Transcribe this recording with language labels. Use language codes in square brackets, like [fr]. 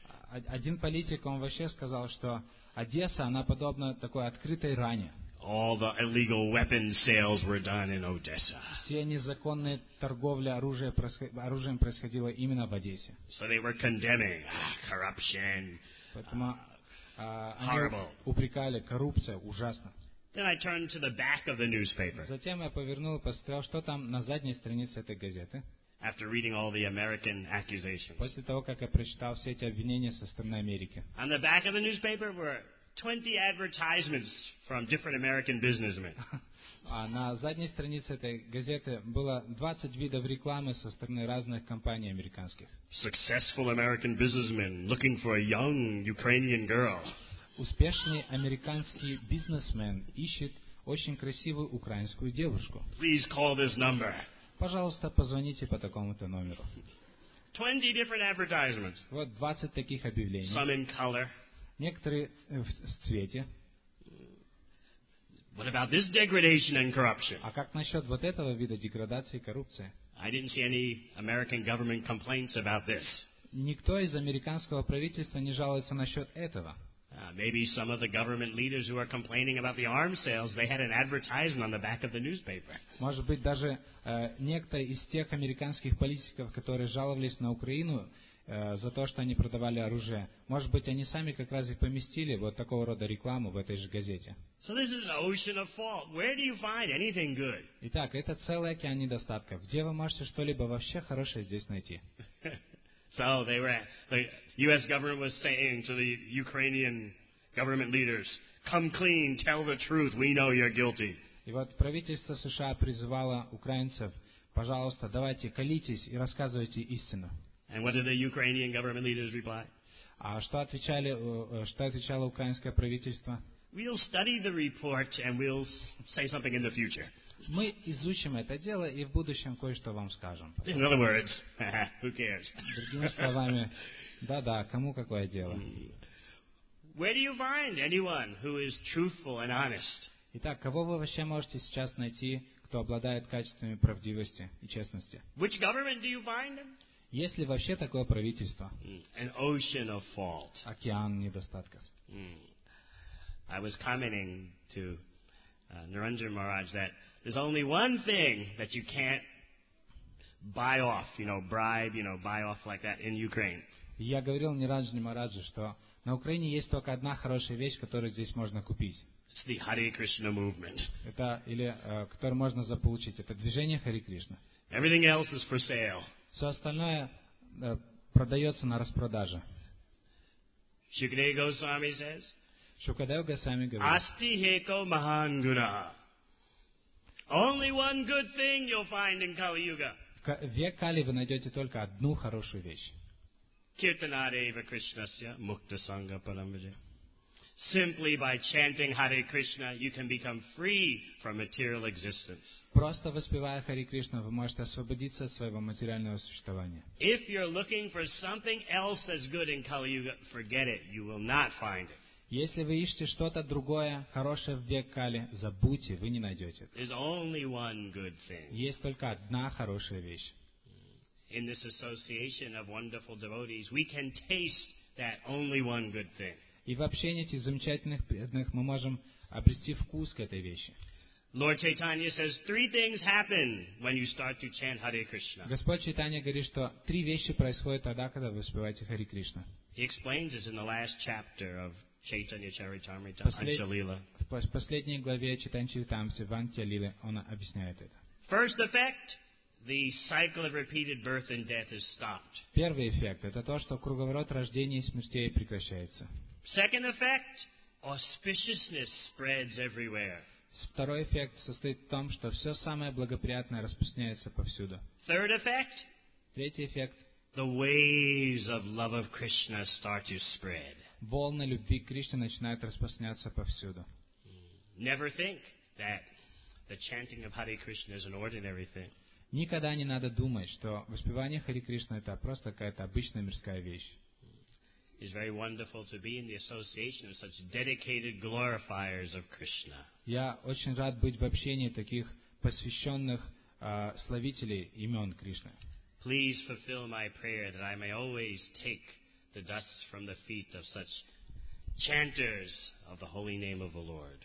[ru] Один политик, он вообще сказал, что Одесса, она подобна такой открытой ране. [en] All the illegal weapon sales were done in Odessa. [ru] Все незаконные торговля оружием происходила именно в Одессе. [en] So they were condemning corruption. [ru] Поэтому они упрекали коррупция ужасно. [en] Then I turned to the back of the newspaper. [ru] Затем я повернул и посмотрел, что там на задней странице этой газеты. [en] After reading all the American accusations. [ru] После того, как я прочитал все эти обвинения со стороны Америки. [en] On the back of the newspaper were 20 advertisements from different American businessmen. [ru] А на задней странице этой газеты было 20 видов рекламы со стороны разных компаний американских. [en] Successful American businessmen looking for a young Ukrainian girl. [ru] Успешный американский бизнесмен ищет очень красивую украинскую девушку. [en] Please call this number. [ru] Пожалуйста, позвоните по такому-то номеру. [en] 20 different advertisements. [ru] Вот 20 таких объявлений. [en] Some in color. [ru] Некоторые в цвете. [en] What about this degradation and corruption? [ru] А как насчет вот этого вида деградации и коррупции? [en] I didn't see any American government complaints about this. [ru] Никто из американского правительства не жалуется насчет этого. [en] Maybe some of the government leaders who are complaining about the arms sales, they had an advertisement on the back of the newspaper. [ru] Может быть, даже некто из тех американских политиков, которые жаловались на Украину за то, что они продавали оружие, может быть, они сами как раз и поместили вот такого рода рекламу в этой же газете. [en] So this is an ocean of fault. Where do you find anything good? [ru] Итак, это целый океан недостатков. Где вы можете что-либо вообще хорошее здесь найти? [en] So they were. The U.S. government was saying to the Ukrainian government leaders, "Come clean, tell the truth. We know you're guilty." [ru] И вот правительство США призывало украинцев, пожалуйста, давайте колитесь и рассказывайте истину. [en] And what did the Ukrainian government leaders reply? [ru] А что отвечали? Что отвечало украинское правительство? [en] We'll study the report and we'll say something in the future. [ru] Мы изучим это дело и в будущем кое-что вам скажем. [en] In other words, who cares? [ru] Другими словами, да-да, кому какое дело? [en] Where do you find anyone who is truthful and honest? [ru] Итак, кого вы вообще можете сейчас найти, кто обладает качествами правдивости и честности? [en] Which government do you find them? [ru] Есть ли вообще такое правительство? [en] An ocean of fault. [ru] Океан недостатков. [en] I was commenting to Narendra Maharaj that there's only one thing that you can't buy off, you know, bribe, you know, buy off like that in Ukraine. [ru] Я говорил Нираджни Мараджи, что на Украине есть только одна хорошая вещь, которую здесь можно купить. [en] It's the Hare Krishna movement. [ru] Это или которую можно заполучить, это движение Хари Кришна. [en] Everything else is for sale. [ru] Все остальное продается на распродаже. [en] Shukadev Goswami says. [ru] Shukadev Goswami говорит. [sa] Asti heko mahanguna. [en] Only one good thing you'll find in Kali Yuga. [ru] В век Кали вы найдете только одну хорошую вещь. [sa] Kirtanadeva Krishnasya Mukta Sangha Paramaja. [en] Simply by chanting Hare Krishna, you can become free from material existence. [ru] Просто воспевая Хари Кришна, вы можете освободиться от своего материального существования. [en] If you're looking for something else that's good in Kali Yuga, forget it. You will not find it. [ru] Если вы ищете что-то другое, хорошее в Веккали, забудьте, вы не найдете это. Есть только одна хорошая вещь. И в общении этих замечательных преданных мы можем обрести вкус к этой вещи. [en] Lord Chaitanya says three things happen when you start to chant Hare Krishna. [ru] Господь Чайтанья говорит, что три вещи происходят тогда, когда вы воспеваете Хари Кришна. [en] He explains this in the last chapter of Chaitanya Charitamrita Anchalila. [ru] В последней главе Чайтанья Чаритамриты Анчалила он объясняет это. [en] First effect, the cycle of repeated birth and death is stopped. [ru] Первый эффект это то, что круговорот рождения и смерти прекращается. [en] Second effect, auspiciousness spreads everywhere. [ru] Второй эффект состоит в том, что все самое благоприятное распространяется повсюду. [en] Third effect, [ru] третий эффект. [en] The waves of love of Krishna start to spread. [ru] Волны любви Кришны начинают распространяться повсюду. [en] Never think that the chanting of Hare Krishna is an ordinary thing. [ru] Никогда не надо думать, что воспевание Хари Кришны это просто какая-то обычная мирская вещь. [en] It's very wonderful to be in the association of such dedicated glorifiers of Krishna. [ru] Я очень рад быть в общении таких посвященных славителей имен Кришны. [en] Please fulfill my prayer that I may always take the dust from the feet of such chanters of the holy name of the Lord.